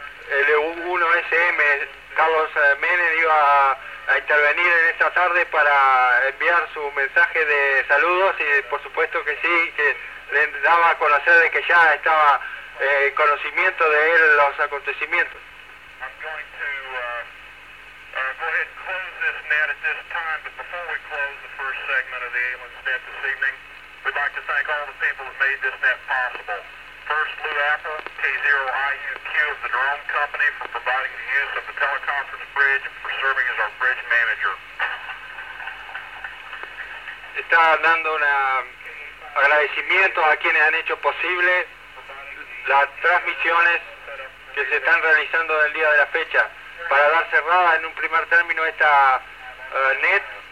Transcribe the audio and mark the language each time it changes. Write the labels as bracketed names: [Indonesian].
[Spanish] el U1SM, Carlos Menem, iba a intervenir en esta tarde para enviar su mensaje de saludos, y por supuesto que sí, que le daba a conocer de que ya estaba en conocimiento de él los acontecimientos. [English] Go ahead and close this net at this time, but before we close the first segment of the Aliens Net this evening, we'd like to thank all the people who made this net possible. First, Lou Apple, K0IUQ of the Drone Company, for providing the use of the teleconference bridge and for serving as our bridge manager. [Spanish] está dando un agradecimiento a quienes han hecho posible las transmisiones que se están realizando del día de la fecha para dar cerrada en un primer término esta NET.